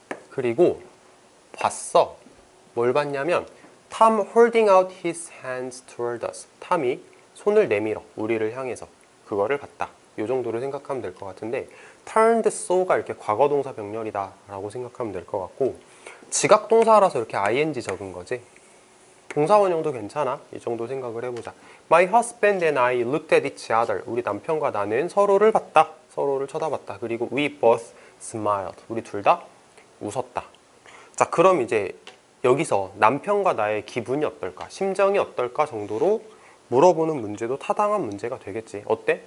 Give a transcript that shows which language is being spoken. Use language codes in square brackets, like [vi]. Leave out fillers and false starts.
[ko] 그리고 봤어. 뭘 봤냐면 [en] Tom holding out his hands toward us. [ko] 탐이 손을 내밀어 우리를 향해서 그거를 봤다. 요 정도로 생각하면 될것 같은데 turned so가 이렇게 과거 동사 병렬이다라고 생각하면 될것 같고 지각 동사라서 이렇게 ing 적은 거지. 동사원형도 괜찮아. 이 정도 생각을 해보자. [en] My husband and I looked at each other. [ko] 우리 남편과 나는 서로를 봤다. 서로를 쳐다봤다. 그리고 [en] we both smiled. [ko] 우리 둘다 웃었다. 자, 그럼 이제 여기서 남편과 나의 기분이 어떨까? 심정이 어떨까? 정도로 물어보는 문제도 타당한 문제가 되겠지. 어때?